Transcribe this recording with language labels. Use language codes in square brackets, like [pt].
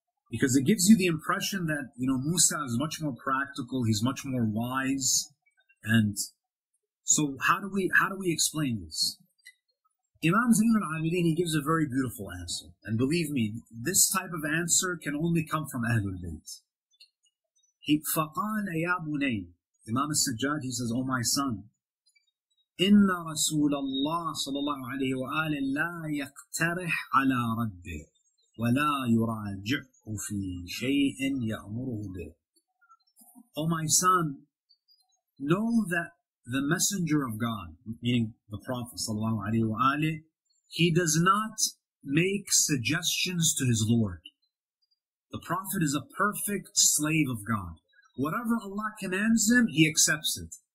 [en] Because it gives you the impression that, you know, Musa is much more practical, he's much more wise. And so how do we explain this? Imam Zain al-Abidin, he gives a very beautiful answer. And believe me, this type of answer can only come from Ahlul Bayt. [ar] He فَقَالَ يَا بُنَيَّ, [en] Imam al-Sajjad, he says, oh my son, [ar] إِنَّ رَسُولَ اللَّهِ صَلَى اللَّهُ عَلَيْهِ وَآلِهِ لَا يَقْتَرِحْ عَلَىٰ رَبِّهِ وَلَا يُرَاجِعْهُ فِي شَيْءٍ يَأْمُرُهُ بِهِ. [en] Oh my son, know that the Messenger of God, meaning the Prophet sallallahu alaihi wa alihi, he does not make suggestions to his Lord. The Prophet is a perfect slave of God. Whatever Allah commands him, he accepts it.